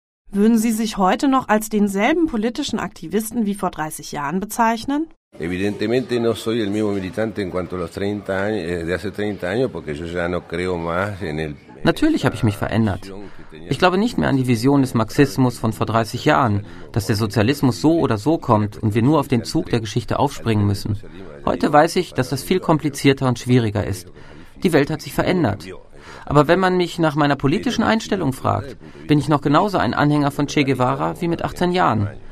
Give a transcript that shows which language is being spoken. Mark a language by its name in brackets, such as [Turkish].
[German] Würden Sie sich heute noch als denselben politischen Aktivisten wie vor 30 Jahren bezeichnen? [Spanish] Evidentemente no soy el mismo militante en cuanto a los 30 años, de hace 30 años, porque yo ya no creo más en el. [German] Natürlich habe ich mich verändert. Ich glaube nicht mehr an die Vision des Marxismus von vor 30 Jahren, dass der Sozialismus so oder so kommt und wir nur auf den Zug der Geschichte aufspringen müssen. Heute weiß ich, dass das viel komplizierter und schwieriger ist. Die Welt hat sich verändert. Aber wenn man mich nach meiner politischen Einstellung fragt, bin ich noch genauso ein Anhänger von Che Guevara wie mit 18 Jahren.